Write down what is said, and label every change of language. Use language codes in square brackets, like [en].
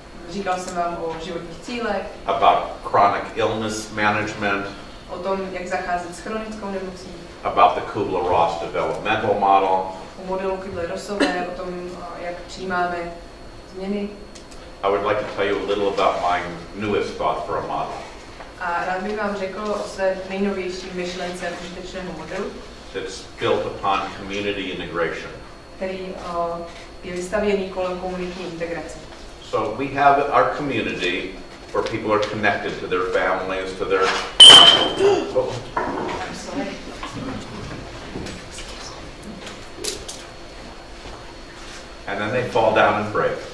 [cs] Říkal jsem vám o životních cílech. [en] About chronic illness management. [cs] O tom, jak zacházet s chronickou nemocí. [en] About the Kubler-Ross developmental model. [cs] O modelu Kubler-Rossové, o tom, jak přijímáme změny. [en] I would like to tell you a little about my newest thought for a model. [cs] A rád bych vám řekl o své nejnovější myšlence k užitečnému modelu. [en] That's built upon community integration. [cs] Který je vystavěný kolem komunitní integrace. [en] So we have our community where people are connected to their families, to their... And then they fall down and break.